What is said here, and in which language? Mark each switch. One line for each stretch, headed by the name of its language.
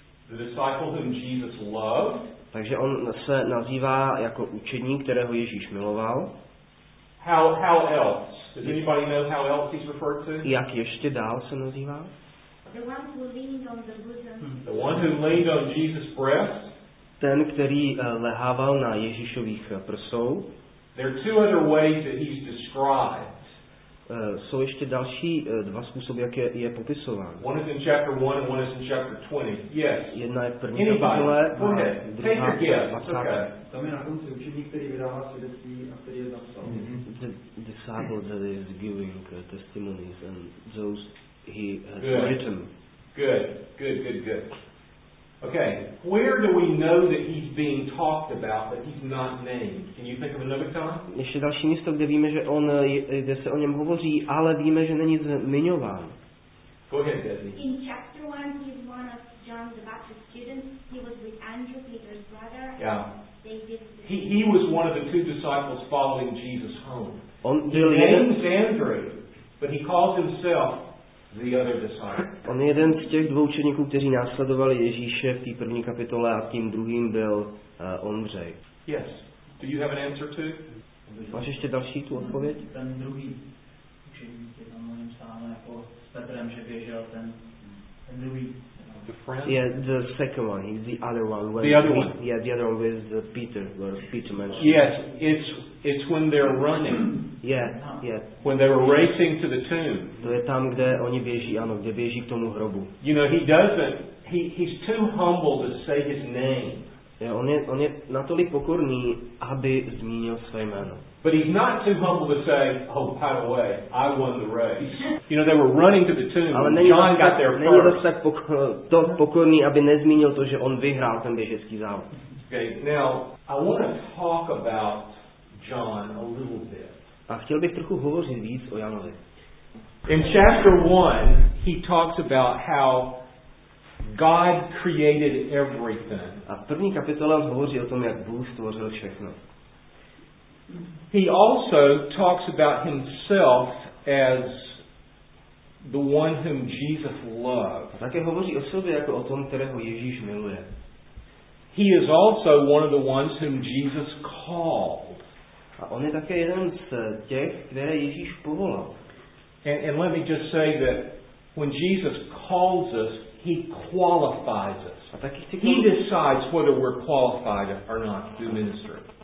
English: The disciple whom Jesus loved.
Czech: Takže on se nazývá jako učedník, kterého Ježíš miloval.
English: How else? Does anybody know how else he's referred to?
Czech: Jak ještě dál se nazývá?
English: The one who leaned on the bosom. The one who leaned on Jesus' breast.
Czech: Ten, který lehával na Ježíšových prsou.
English: There are two other ways that he's described.
Czech: Jsou ještě další dva způsoby, jak je popisován.
English: One is in chapter 1 and one is in chapter 20. Yes.
Czech: Jedna je první kapitole, druhá je 20. Tam je na konci učeník, který vydává svědectví a který je zapsal.
English: The disciple that is giving testimonies and those he has written. Good. Okay, where do we know that he's being talked about, that he's not named? Can you think of another time?
Czech: Ještě další místo, kde víme, že on, kde se o něm hovoří, ale víme, že není zmiňován.
English: Go ahead, Desi. In chapter 1, he's one of John the Baptist's students. He was with Andrew, Peter's brother. Yeah. He was one of the two disciples following Jesus home.
Czech: On
English: he names Andrew, but he calls himself the other disciple.
Czech: On je jeden z těch dvou učeníků, kteří následovali Ježíše v té první kapitole, a tím druhým byl Ondřej.
English: Yes. Do you have an answer to?
Czech: Máš ještě další tu odpověď? Ten druhý učeník je tam mluvím stále jako s Petrem, že běžel ten druhý.
English: The friend? Yeah, the second one. He's the other one. The other one. Yeah, the other one with the Peter, where Peter mentioned. Yes, it's when they're running. Yeah. When they were racing to the tomb.
Czech: To je tam, kde oni běží, ano, kde běží k tomu hrobu.
English: You know, he doesn't. He's too humble to say his name.
Czech: Yeah, on je natolik pokorný, aby zmínil své jméno.
English: But he's not too humble to say, oh, by the way, I won the race. You know, they were running to the tomb.
Czech: Ale
English: and John got there first.
Czech: Není dost tak pokorný, aby nezmínil to, že on vyhrál ten běžecký závod.
English: Okay, now, I want to talk about John a little bit.
Czech: A chtěl bych trochu hovořit víc o Janovi.
English: In chapter 1, he talks about how God created everything.
Czech: A v první kapitole hovoří o tom, jak Bůh stvořil všechno.
English: He also talks about himself as the one whom Jesus loved.
Czech: A také hovoří o sobě jako o tom, kterého Ježíš miluje.
English: He is also one of the ones whom Jesus called.
Czech: A on je také jeden z těch, které Ježíš povolal.
English: And let me just say that when Jesus calls us, he qualifies us. He decides whether we're qualified or not to do ministry.